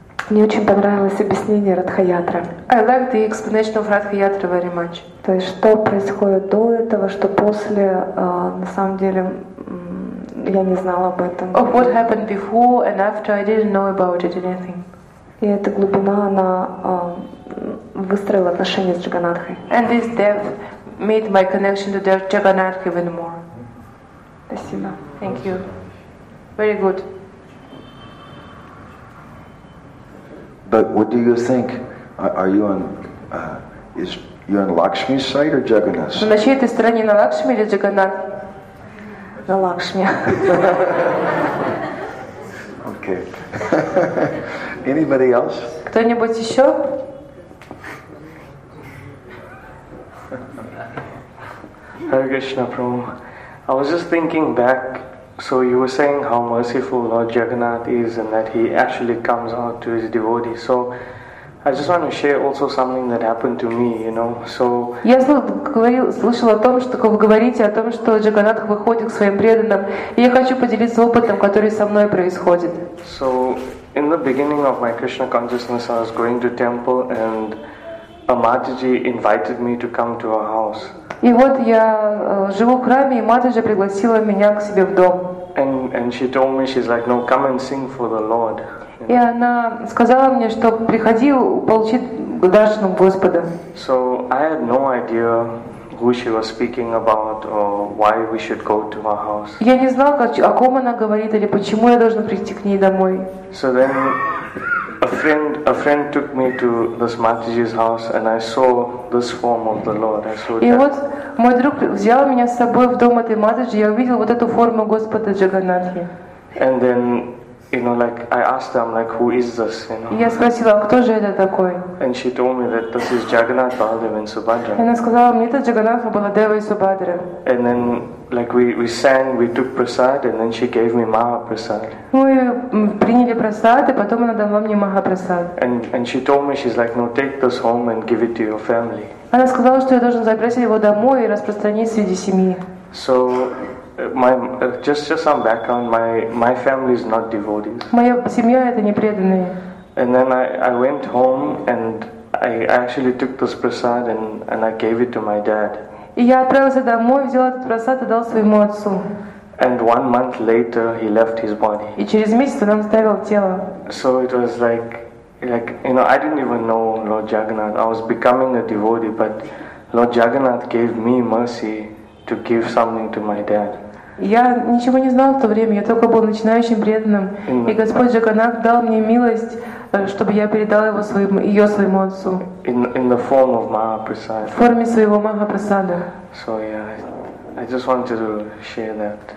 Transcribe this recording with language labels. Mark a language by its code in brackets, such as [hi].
[ru] Мне очень понравилось объяснение Радхаятры. [en] I like the explanation of Радхаятры very much. [ru] То есть, что происходит до этого, что после, на самом деле, я не знала об этом. [en] Of what happened before and after, I didn't know about it anything. [ru] И эта глубина, она выстроила отношения с Джаганатхой. [en] And this depth made my connection to the Jagannath even more. [ru] Спасибо. [en] Thank you. Very good. But what do you think? Are you on? Is you on Lakshmi's side or Jagannath's? [ru] На чьей ты стороне, на Лакшми или Джаганнат? На Лакшми. [en] Okay. Anybody else? [ru] Кто-нибудь еще? [en] Hare Krishna Prabhu. I was just thinking back. So you were saying how merciful Lord Jagannath is and that he actually comes out to his devotees. So I just want to share also something that happened to me, you know. So [ru] я слышал о том, что вы говорите о том, что Джаганнатх выходит к своим преданным, и я хочу поделиться опытом, который со мной происходит. [en] So in the beginning of my Krishna consciousness, I was going to temple and a Mataji invited me to come to her house. [ru] И вот я живу в храме, и Матаджи пригласила меня к себе в дом. [en] And she told me, she's like, no, come and sing for the Lord. [ru] И она сказала мне, что приходи получить даршану Господа. [en] So I had no idea who she was speaking about or why we should go to her house. [ru] Я не знал, о ком она говорит или почему я должен прийти к ней домой. [en] So then a friend took me to this Mataji's house and I saw this form of the Lord. I saw [ru] that. И вот мой друг взял меня с собой в дом этой Матаджи, я увидел вот эту форму Господа Джаганнатхи. [en] And then, you know, like I asked them, like, who is this? You know. [ru] Я спросила, кто же это такой? [en] And she told me that this is Jagannath Baladev and Subhadra. [ru] Она сказала мне, это Джаганнатха Баладева и Субхадра. [en] And then, like, we sang, we took prasad, and then she gave me maha prasad. [ru] Мы приняли прасад, и потом она дала мне маха прасад. [en] And she told me, she's like, no, take this home and give it to your family. [ru] Она сказала, что я должен забрать его домой и распространить среди семьи. [en] So. Just some background. My family is not devotees. [ru] Моя семья это не преданные. [en] And then I went home and I actually took this prasad and I gave it to my dad. [ru] И я отправился домой, взял этот прасад и дал своему отцу. [en] And 1 month later, he left his body. [ru] И через месяц он оставил тело. [en] So it was like you know, I didn't even know Lord Jagannath. I was becoming a devotee, but Lord Jagannath gave me mercy to give something to my dad. [ru] Я ничего не знал в то время, я только был начинающим преданным, и Господь Джаганнат дал мне милость, чтобы я передал ее своему отцу. [en] In the form of Mahaprasada. [ru] В форме своего Махапрасада. [en] So yeah, I just wanted to share that.